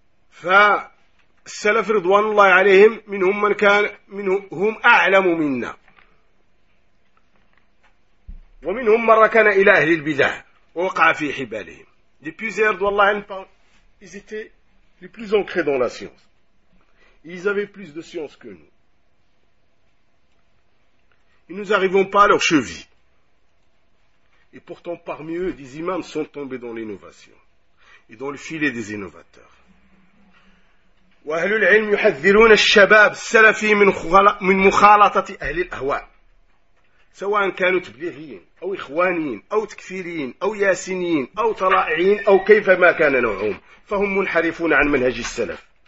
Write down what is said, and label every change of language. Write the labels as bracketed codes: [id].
[ar] فالسلف رضوان الله عليهم منهم من كان منهم أعلم منا ومنهم من كان إلى أهل البدع ووقع في حبالهم. [fr] Les plus erdes, والله عليهم, ils étaient les plus ancrés dans la science. Ils avaient plus de science que nous. Ils nous arrivons pas à leur cheville. Et pourtant, parmi eux, des imams sont tombés dans l'innovation et dans le filet des innovateurs. [ar] وأهل العلم يحذرون الشباب السلفي من مخالطة أهل الأهواء سواء كانوا تبليغيين أو إخوانيين أو تكفيريين أو ياسينيين أو طلائعين أو كيفما كان نوعهم فهم منحرفون عن منهج السلف